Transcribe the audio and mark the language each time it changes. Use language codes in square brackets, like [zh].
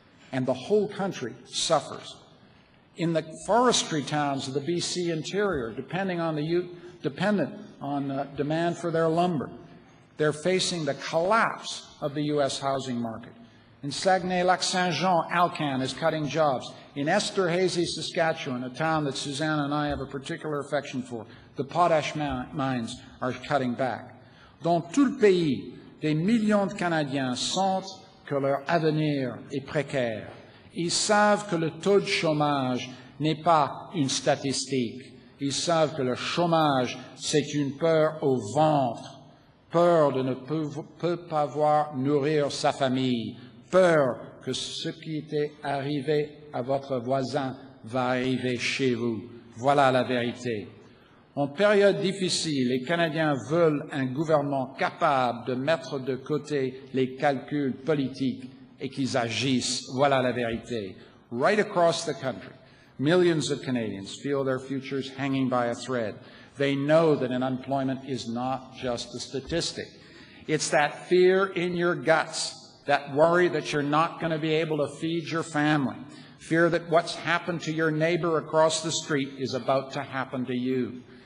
[en] And the whole country suffers. In the forestry towns of the BC interior, dependent on demand for their lumber, they're facing the collapse of the U.S. housing market. In Saguenay-Lac-Saint-Jean, Alcan is cutting jobs. In Esterhazy, Saskatchewan, a town that Suzanne and I have a particular affection for, the potash mines are cutting back. [fr] Dans tout le pays, des millions de Canadiens sentent que leur avenir est précaire. Ils savent que le taux de chômage n'est pas une statistique. Ils savent que le chômage, c'est une peur au ventre, peur de ne pas voir nourrir sa famille, peur que ce qui était arrivé à votre voisin va arriver chez vous. Voilà la vérité. En période difficile, les Canadiens veulent un gouvernement capable de mettre de côté les calculs politiques et qu'ils agissent. Voilà la vérité. [en] Right across the country, millions of Canadians feel their futures hanging by a thread. They know that unemployment is not just a statistic. It's that fear in your guts, that worry that you're not going to be able to feed your family, fear that what's happened to your neighbor across the street is about to happen to you.